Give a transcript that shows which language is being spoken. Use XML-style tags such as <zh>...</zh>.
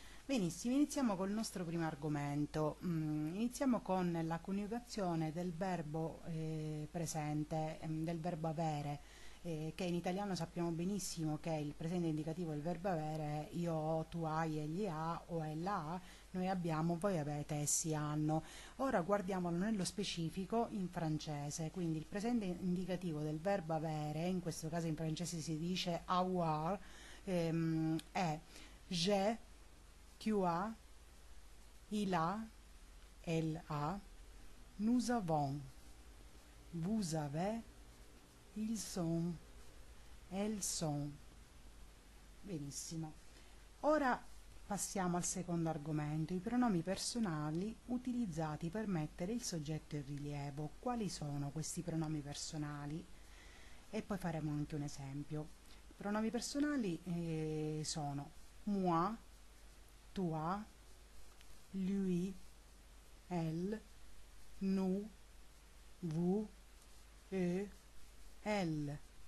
<it>Benissimo, iniziamo col nostro primo argomento. Iniziamo con la coniugazione del verbo presente, del verbo avere, che in italiano sappiamo benissimo che il presente indicativo del verbo avere è io ho, tu hai, egli ha o ella ha, noi abbiamo, voi avete, essi hanno. Ora guardiamolo nello specifico in francese, quindi il presente indicativo del verbo avere, in questo caso in francese si dice avoir, è</it> <fr>j'ai. Tu as, il a, elle a, nous avons, vous avez, ils sont, elles sont.</fr> <it>Benissimo. Ora passiamo al secondo argomento, i pronomi personali utilizzati per mettere il soggetto in rilievo. Quali sono questi pronomi personali? E poi faremo anche un esempio. I pronomi personali sono</it> <fr>moi, tu a, lui, elle, nous, vous, eux, elle.</fr>